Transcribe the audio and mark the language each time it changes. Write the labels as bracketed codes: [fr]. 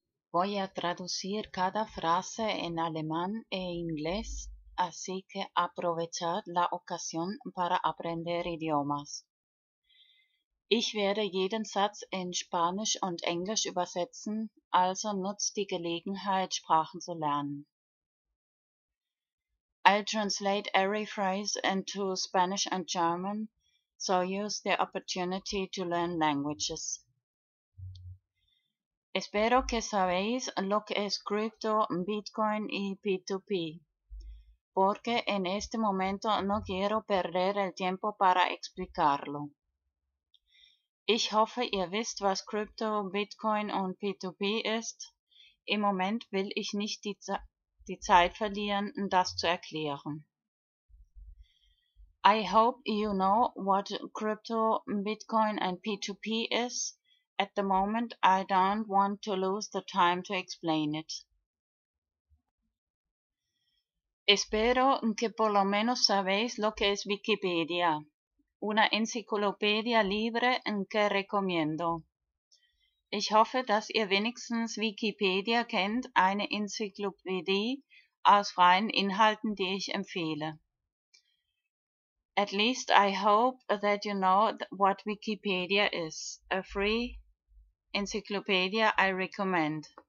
[es] Voy a traducir cada frase en alemán e inglés, así que aprovechad la ocasión para aprender idiomas. [de] Ich werde jeden Satz in Spanisch und Englisch übersetzen, also nutzt die Gelegenheit, Sprachen zu lernen. [en] I'll translate every phrase into Spanish and German, so use the opportunity to learn languages. [es] Espero que sabéis lo que es cripto, Bitcoin y P2P, porque en este momento no quiero perder el tiempo para explicarlo. [de] Ich hoffe, ihr wisst, was Krypto, Bitcoin und P2P ist. Im Moment will ich nicht die Zeit verlieren, das zu erklären. [en] I hope you know what Krypto, Bitcoin and P2P is. At the moment, I don't want to lose the time to explain it. [es] Espero que por lo menos sabéis lo que es Wikipedia, una enciclopedia libre que recomiendo. [de] Ich hoffe, dass ihr wenigstens Wikipedia kennt, eine Enzyklopädie aus freien Inhalten, die ich empfehle. [en] At least I hope that you know what Wikipedia is, a free Encyclopedia I recommend.